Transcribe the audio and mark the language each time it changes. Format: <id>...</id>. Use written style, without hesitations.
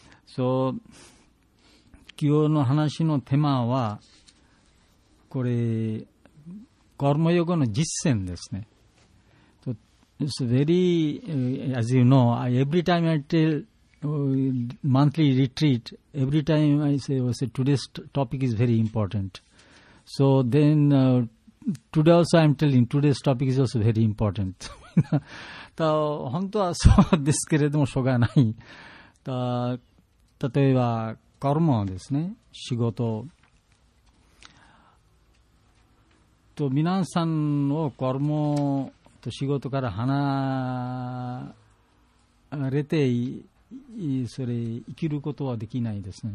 <ja>So, 今日の話のテーマはこれ、コルマヨガの実践ですね。</ja> <en>So, it's very, as you know, every time I tell monthly retreat, every time I say today's topic is very important. So then, today also I'm telling today's topic is also very important.</en> <ja>た本当はそうですけれども、しょうがない。た例えば、カルマですね、仕事。と、皆さんをカルマと仕事から離れて、それ、生きることはできないですね。</ja>